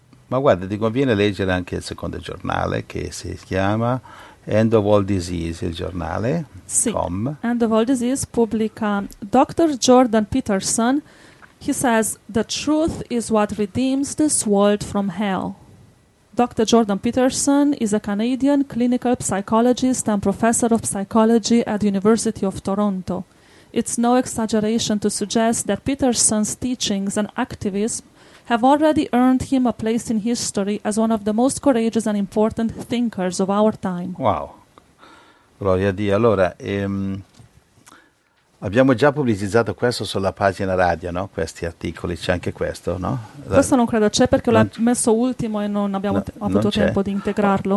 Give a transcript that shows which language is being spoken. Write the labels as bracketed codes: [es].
[it] Ma guarda, ti conviene leggere anche il secondo giornale, che si chiama End of All Disease, il giornale. Sì, com. End of All Disease pubblica Dr. [en] Jordan Peterson. He says, the truth is what redeems this world from hell. Dr. Jordan Peterson is a Canadian clinical psychologist and professor of psychology at the University of Toronto. It's no exaggeration to suggest that Peterson's teachings and activism have already earned him a place in history as one of the most courageous and important thinkers of our time. [it] Wow, gloria a Dio. Allora, abbiamo già pubblicizzato questo sulla pagina radio, no? Questi articoli, c'è anche questo, no? Questo non credo c'è, perché l'ho messo ultimo e non abbiamo avuto tempo di integrarlo.